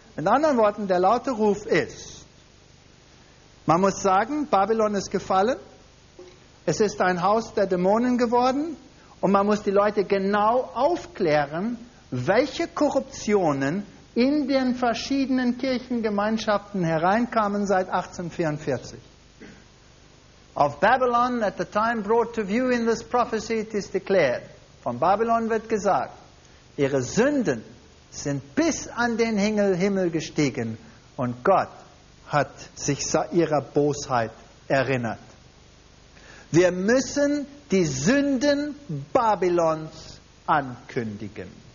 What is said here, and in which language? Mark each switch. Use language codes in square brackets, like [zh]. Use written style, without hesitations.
[de] In anderen Worten, der laute Ruf ist, man muss sagen, Babylon ist gefallen, es ist ein Haus der Dämonen geworden und man muss die Leute genau aufklären, welche Korruptionen in den verschiedenen Kirchengemeinschaften hereinkamen seit 1844. [en] Of Babylon at the time brought to view in this prophecy it is declared. [de] Von Babylon wird gesagt, ihre Sünden sind bis an den Himmel gestiegen und Gott hat sich ihrer Bosheit erinnert. Wir müssen die Sünden Babylons ankündigen.